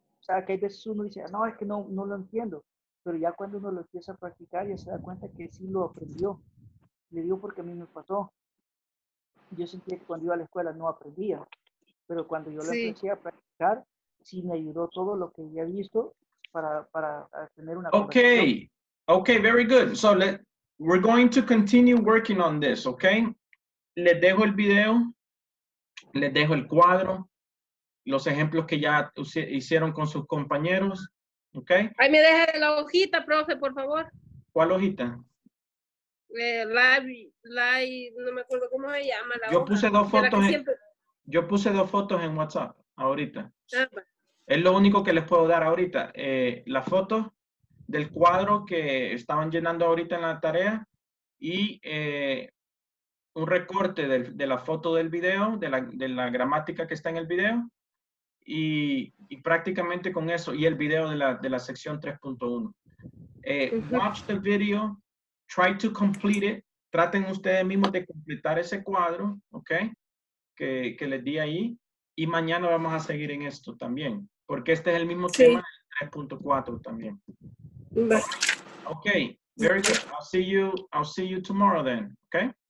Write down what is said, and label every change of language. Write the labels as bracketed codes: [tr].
[es] O sea, que hay veces uno dice, no, es que no, no lo entiendo. Pero ya cuando uno lo empieza a practicar, ya se da cuenta que sí lo aprendió. Le digo porque a mí me pasó. Yo sentía que cuando iba a la escuela no aprendía. Pero cuando yo lo empecé a practicar, sí me ayudó todo lo que había visto para tener una conversación. [en] Okay, very good. So, we're going to continue working on this, okay? [es] Les dejo el video. Les dejo el cuadro. Los ejemplos que ya hicieron con sus compañeros, ¿ok? Ay, me deje la hojita, profe, por favor. ¿Cuál hojita? No me acuerdo cómo se llama la yo hoja. Puse dos fotos yo puse dos fotos en WhatsApp ahorita. Es lo único que les puedo dar ahorita. La foto del cuadro que estaban llenando ahorita en la tarea y un recorte de la foto del video, de la gramática que está en el video. Y prácticamente con eso y el video de la sección 3.1. Uh-huh. [en] Watch the video, try to complete it. [es] Traten ustedes mismos de completar ese cuadro, [en] okay? [es] Que les di ahí y mañana vamos a seguir en esto también, porque este es el mismo sí. tema del 3.4 también. [en] Okay, very good. I'll see you tomorrow then, okay?